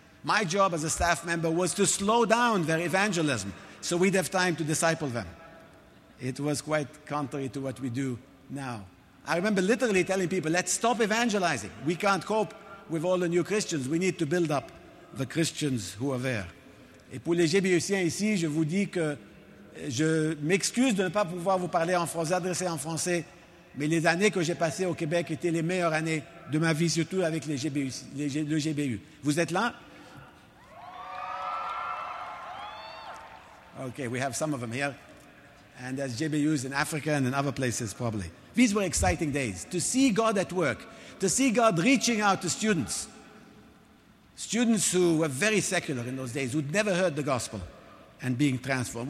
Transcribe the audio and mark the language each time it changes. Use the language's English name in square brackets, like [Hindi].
[English] My job as a staff member was to slow down their evangelism so we'd have time to disciple them. It was quite contrary to what we do now. I remember literally telling people, let's stop evangelizing. We can't cope with all the new Christians. We need to build up the Christians who are there. [French] Et pour les GBUciens ici, je vous dis que je m'excuse de ne pas pouvoir vous parler en français, adresser en français, mais les années que j'ai passées au Québec étaient les meilleures années de ma vie, surtout avec le GBU. Vous êtes là? [English] Okay, we have some of them here. And there's GBUs in Africa and in other places probably. These were exciting days, to see God at work, to see God reaching out to students. Students who were very secular in those days, who'd never heard the gospel and being transformed.